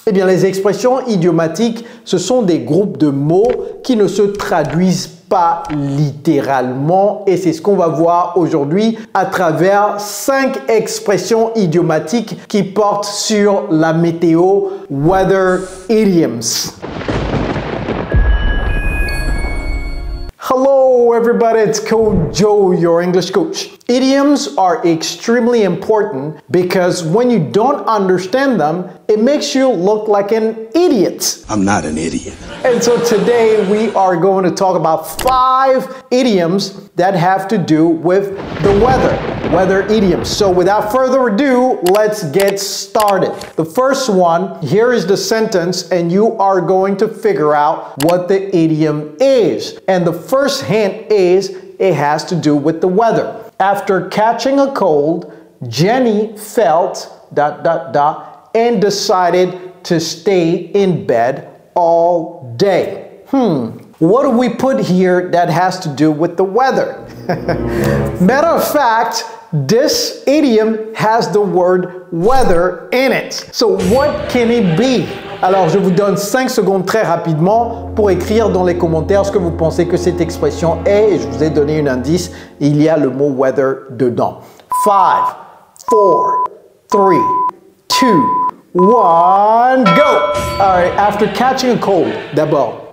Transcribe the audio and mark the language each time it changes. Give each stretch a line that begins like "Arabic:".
French: Eh bien, les expressions idiomatiques, ce sont des groupes de mots qui ne se traduisent pas littéralement, et c'est ce qu'on va voir aujourd'hui à travers 5 expressions idiomatiques qui portent sur la météo,
English: weather idioms. Hello everybody, it's Coach Joe, your English coach. Idioms are extremely important because when you don't understand them, it makes you look like an idiot. I'm not an idiot. And so today we are going to talk about 5 idioms that have to do with the weather. Weather idioms. So without further ado, let's get started. The first one, here is the sentence, and you are going to figure out what the idiom is. And the first hint is, it has to do with the weather. After catching a cold, Jenny felt dot dot dot and decided to stay in bed all day. What do we put here that has to do with the weather? Matter of fact, this idiom has the word weather in it. So what can it be?
French: Alors, je vous donne 5 secondes très rapidement pour écrire dans les commentaires ce que vous pensez que cette expression est. Et je vous ai donné un indice. Il y a le mot weather dedans. 5, 4, 3, 2, 1, go!
English: All right, after catching a cold,
French: d'abord.